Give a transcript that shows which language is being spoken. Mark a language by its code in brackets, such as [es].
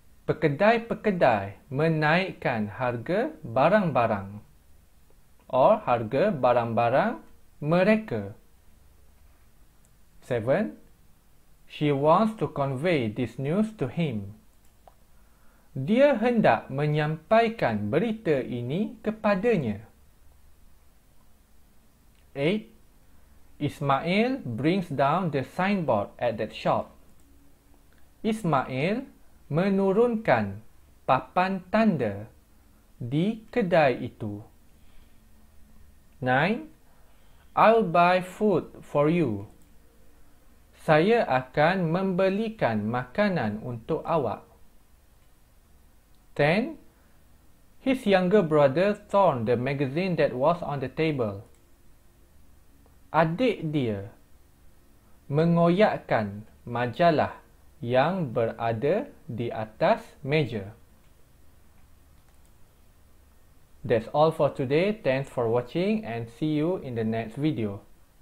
[ms] Pekedai-pekedai menaikkan harga barang-barang. Or harga barang-barang mereka. [en] Seven. She wants to convey this news to him. [ms] Dia hendak menyampaikan berita ini kepadanya. [en] 8. Ismail brings down the signboard at that shop. [ms] Ismail menurunkan papan tanda di kedai itu. 9. [en] I'll buy food for you. [ms] Saya akan membelikan makanan untuk awak. [en] 10. His younger brother torn the magazine that was on the table. [ms] Adik dia mengoyakkan majalah yang berada di atas meja. [en] That's all for today. Thanks for watching and see you in the next video.